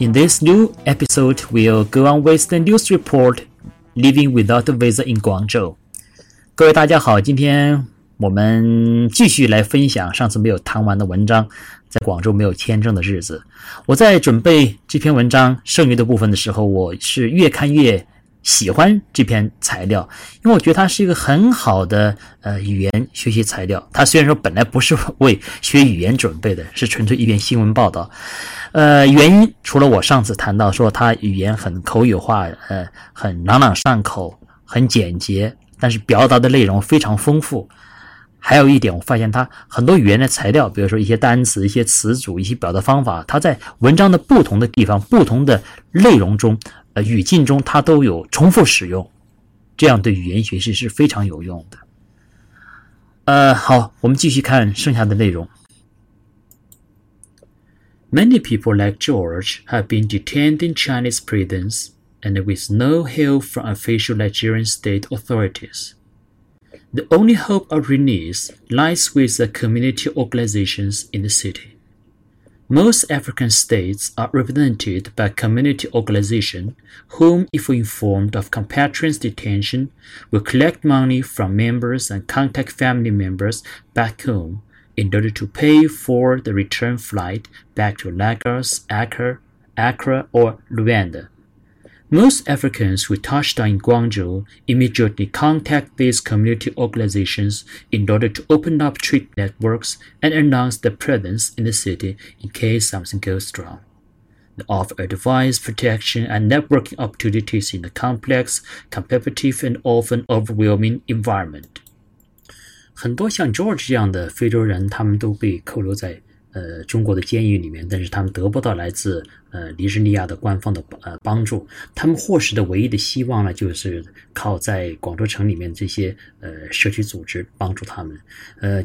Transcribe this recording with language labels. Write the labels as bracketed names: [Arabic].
[English] In this new episode, we'll go on with the news report Living without a visa in Guangzhou. [Chinese] 各位大家好，今天我们继续来分享上次没有谈完的文章，在广州没有签证的日子。我在准备这篇文章剩余的部分的时候，我是越看越喜欢这篇材料，因为我觉得它是一个很好的语言学习材料。它虽然说本来不是为学语言准备的，是纯粹一篇新闻报道。原因除了我上次谈到说它语言很口语化，很朗朗上口，很简洁，但是表达的内容非常丰富。还有一点，我发现它很多语言的材料，比如说一些单词、一些词组、一些表达方法，它在文章的不同的地方、不同的内容中、语境中，它都有重复使用，这样对语言学习是非常有用的。好，我们继续看剩下的内容。 [English] Many people like George have been detained in Chinese prisons and with no help from official Nigerian state authorities. The only hope of release lies with the community organizations in the city. Most African states are represented by community organizations whom, if informed of compatriots' detention, will collect money from members and contact family members back home in order to pay for the return flight back to Lagos, Accra, or Luanda. Most Africans who touched down in Guangzhou immediately contact these community organizations in order to open up trade networks and announce their presence in the city in case something goes wrong. They offer advice, protection, and networking opportunities in a complex, competitive, and often overwhelming environment. [Chinese] 很多像 George 这样的非洲人，他们都被扣留在中国的监狱里面，但是他们得不到来自尼日利亚的官方的帮助，他们获释的唯一的希望呢，就是靠在广州城里面这些社区组织帮助他们。